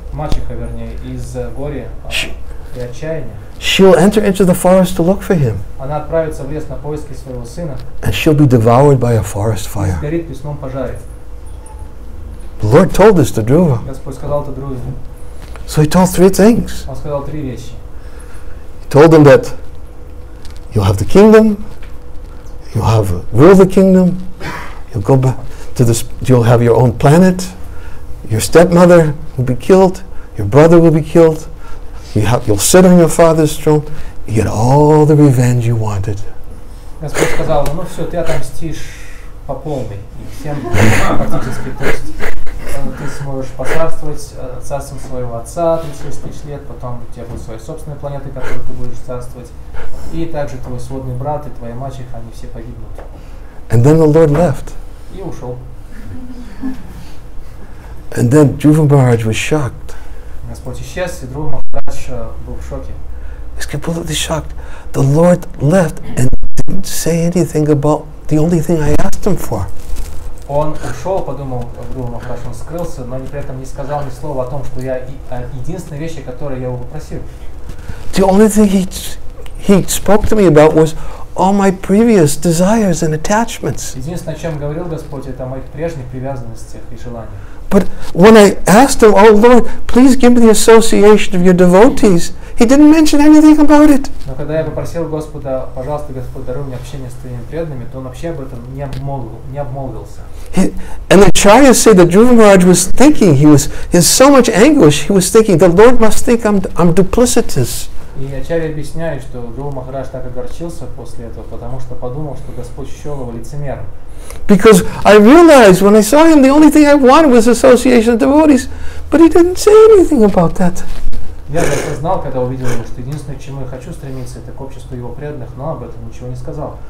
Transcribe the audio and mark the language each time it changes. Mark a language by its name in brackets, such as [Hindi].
[Russian] мачеха, вернее, из горя, и отчаяния, [English] she'll enter into the forest to look for him. [Russian] Она отправится в лес на поиски своего сына, [English] and she'll be devoured by a forest fire. [Russian] Сгорит в лесном пожаре. [English] The Lord told this to Dhruva. [Russian] Господь сказал это Дхруве. [English] So he told three things. [Russian] Он сказал три вещи. [English] He told him that you'll have the kingdom, you'll have rule the kingdom, you'll go back. You'll have your own planet, your stepmother will be killed, your brother will be killed, you'll sit on your father's throne, you get all the revenge you wanted. [Russian] Господь сказал, ну все, ты отомстишь по полной, и всем практически, то есть ты сможешь поцарствовать царством своего отца 36,000 лет, потом у тебя будет своя собственная планета, которую ты будешь царствовать, и также твой сводный брат и твоя мачеха, они все погибнут. [English] And then the Lord left. [Russian] И ушел. [English] And then Dhruva Maharaj was shocked. [Russian] Господь исчез, и Дхрува Махарадж был в шоке. [English] He's completely shocked. The Lord left and didn't say anything about the only thing I asked him for. [Russian] Он ушел, подумал Дхрува Махарадж, он скрылся, но при этом не сказал ни слова о том, что я единственная вещь, которую я его попросил. [English] The only thing he spoke to me about was all my previous desires and attachments. [Russian] Единственное, о чем говорил Господь, это о моих прежних привязанностях и желаниях. [English] But when I asked him, "Oh Lord, please give me the association of your devotees," he didn't mention anything about it. [Russian] Но когда я попросил Господа, пожалуйста, Господь, даруй мне общение с твоими преданными, то он вообще об этом не обмолвился. [English] And the acharyas say that Dhruva Maharaj was thinking, he was in so much anguish, he was thinking, the Lord must think I'm duplicitous. [Russian] И ачарьи объясняют, что Дхрува Махарадж так огорчился после этого, потому что подумал, что Господь счел его лицемером. [English] Because I realized when I saw him, the only thing I wanted was association of devotees, but he didn't say anything about that. [Russian] Я это знал, когда увидел его, что единственное, к чему я хочу стремиться, это к обществу его преданных, но об этом ничего не сказал.